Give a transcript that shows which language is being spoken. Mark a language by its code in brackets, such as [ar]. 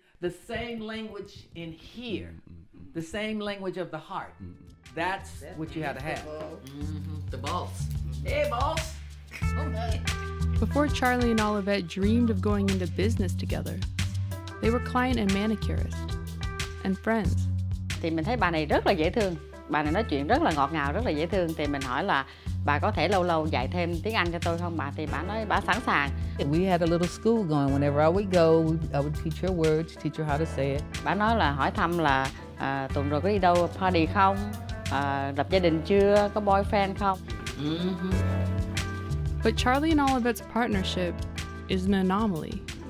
[en] The same language in here. Mm-hmm. The same language of the heart. Mm-hmm. That's what you have to have. The boss. Mm-hmm. Hey, boss. Before Charlie and Olivette dreamed of going into business together, they were client and manicurist and friends. [vi] Thì mình thấy bà này rất là dễ thương. Bà này nói chuyện rất là ngọt ngào, rất là dễ thương. Thì mình hỏi là bà có thể lâu lâu dạy thêm tiếng Anh cho tôi không bà? Thì bà nói bà sẵn sàng. [en] We had a little school going. Whenever I would go, I would teach her words, teach her how to say it. [vi] Bà nói là hỏi thăm là tuần rồi có đi đâu party không? Lập gia đình chưa? Có boyfriend không? [en] But Charlie and Olivette's partnership is an anomaly.